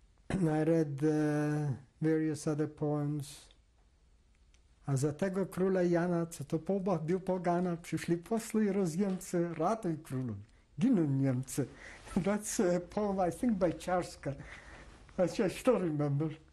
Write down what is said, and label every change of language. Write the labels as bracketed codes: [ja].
[en] I read various other poems. [pl] A za tego króla Jana, co to po obach był pogana, przyszli posły I rozjemcy, ratuj królu, giną Niemcy. [en] That's a poem, I think, by Czarska. I still remember.